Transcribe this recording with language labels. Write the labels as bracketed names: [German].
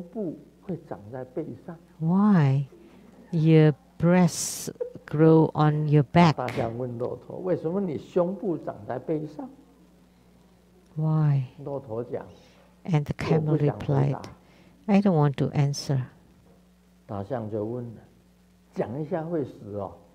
[Chinese] 为什么你的胸部会长在背上? [English] Why your breasts grow on your back? [Chinese] 大象问骆驼, 为什么你胸部长在背上? [English] Why? [Chinese] 骆驼讲, [English] and the camel replied, I don't want to answer. [Chinese] 大象就问了, 讲一下会死哦?